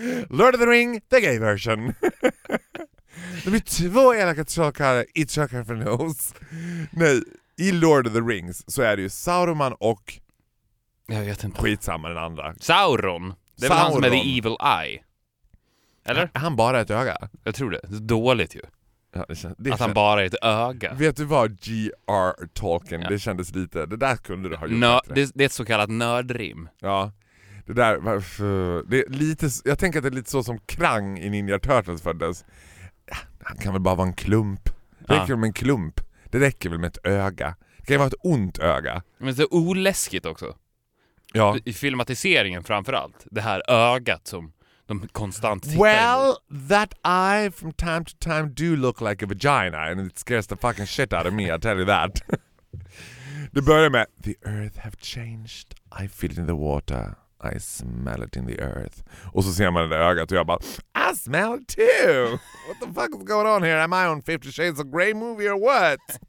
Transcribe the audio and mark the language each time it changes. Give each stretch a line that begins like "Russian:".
English: Lord of the Ring, the gay version.
Swedish: Det är 2 elaka trollkarlar i trollkarlar från Oz. Nej, i Lord of the Rings så är det ju Sauron och... Jag vet inte. Skitsamma den andra. Sauron. Det är väl han som är
English: the evil eye.
Swedish: Eller? Är han bara ett öga? Jag tror det. Det är dåligt ju. Ja, att han bara är ett öga. Vet du vad G.R. Tolkien, ja. Det kändes lite, det där kunde du ha gjort Det är ett så kallat nördrim. Ja, det där det är lite, jag tänker att det är lite så som Krang i Ninja Turtles föddes. Han kan väl bara vara en klump. Det räcker med en klump. Det räcker väl med ett öga. Det kan vara ett ont öga. Men det är oläskigt också. Ja. I filmatiseringen framförallt. Det här ögat som de konstant tittar.
English: Well, that eye from time to time do look like a vagina and it scares the fucking shit out of me, I tell you that.
Swedish: Det börjar med
English: the earth have changed. I feel it in the water. I smell it in the earth.
Swedish: Och så ser man det ögat och jag bara
English: I smell it too. What the fuck is going on here? Am I on 50 Shades of Grey movie or what?